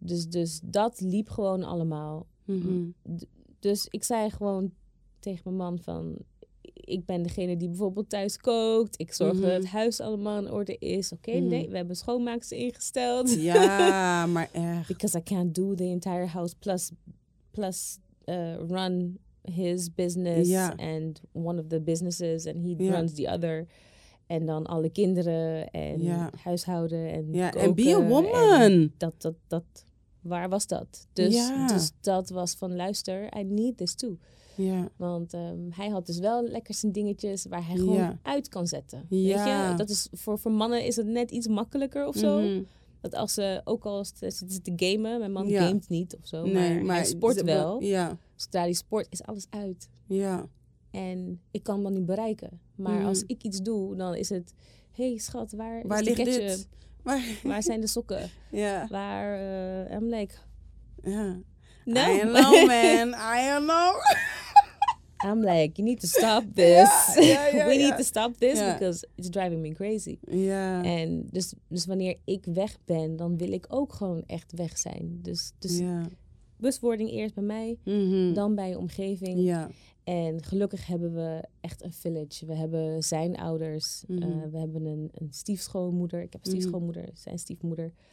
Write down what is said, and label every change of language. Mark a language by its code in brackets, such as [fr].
[nl] Dus dat liep gewoon allemaal. Mm-hmm. Dus ik zei gewoon tegen mijn man van... Ik ben degene die bijvoorbeeld thuis kookt. Ik zorg dat het huis allemaal in orde is. Oké, we hebben schoonmaakster ingesteld. Ja, maar echt. [en] Because I can't do the entire house plus run his business. [nl] Ja. [en] And one of the businesses and he runs the other. [nl] En dan alle kinderen en huishouden en koken. [en] En be a woman. [nl] Dat waar was dat? Dus dat was van luister, [en] I need this too. Yeah. [nl] Want hij had dus wel lekker zijn dingetjes waar hij gewoon uit kan zetten. Ja. Weet je? Dat is voor mannen is het net iets makkelijker of zo. Mm-hmm. Dat als ze ook al zitten te gamen, mijn man gamet niet of zo. Nee, maar hij sport wel. Zodra die sport is alles uit. Ja. En ik kan hem niet bereiken. Maar als ik iets doe, dan is het... Hé, schat, waar is ligt de ketchup? Dit? Waar zijn de sokken? [en] Yeah. Waar... I'm like... Yeah. No. I am low, man. I am low. I'm like, you need to stop this. We need to stop this because it's driving me crazy. Yeah. [nl] En dus wanneer ik weg ben, dan wil ik ook gewoon echt weg zijn. Dus bewustwording eerst bij mij, dan bij je omgeving. Ja. En gelukkig hebben we echt een village. We hebben zijn ouders. Mm-hmm. We hebben een stiefschoonmoeder. Ik heb een stiefschoonmoeder. Mm-hmm. Zijn stiefmoeder.